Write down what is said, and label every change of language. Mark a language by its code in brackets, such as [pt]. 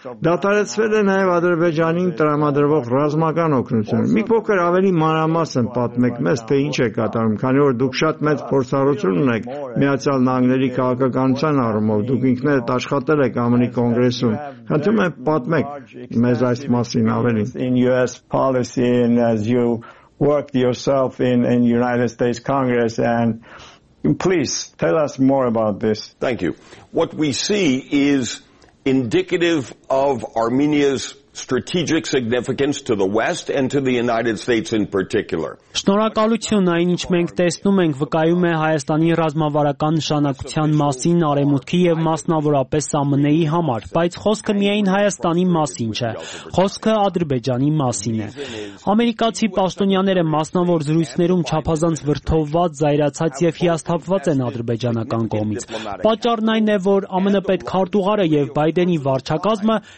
[hy] Դատարացվել է նաև Ադրբեջանի տրամադրվող ռազմական օգնություն։ Մի փոքր ավելի մանրամասն պատմեք մեզ, թե ինչ է կատարում, քանի որ դուք շատ մեծ փորձառություն ունեք Միացյալ Նահանգների քաղաքականության առումով, դուք ինքներդ աշխատել եք ԱՄՆ-ի կոնգրեսում, խնդրում եմ պատմեք մեզ այս մասին ավելին։ [en] In US policy and as you worked yourself in United States Congress, and please tell us more about this. Thank you. What we see is indicative of Armenia's strategic significance to the West and to the United States in particular. [hy] Շնորհակալություն այն, ինչ մենք տեսնում ենք, վկայում է Հայաստանի ռազմավարական նշանակության մասին արեմուտքի եւ մասնավորապես ԱՄՆ-ի համար, բայց խոսքը միայն Հայաստանի մասին չէ, խոսքը Ադրբեջանի մասին է։ Ամերիկացի պաշտոնյաները մասնավոր զրույցներում չափազանց վրթովված, զայրացած եւ հիասթափված են ադրբեջանական կողմից։ Պատճառն այն է, որ ԱՄՆ պետք քարտուղարը եւ Բայդենի վարչակազմը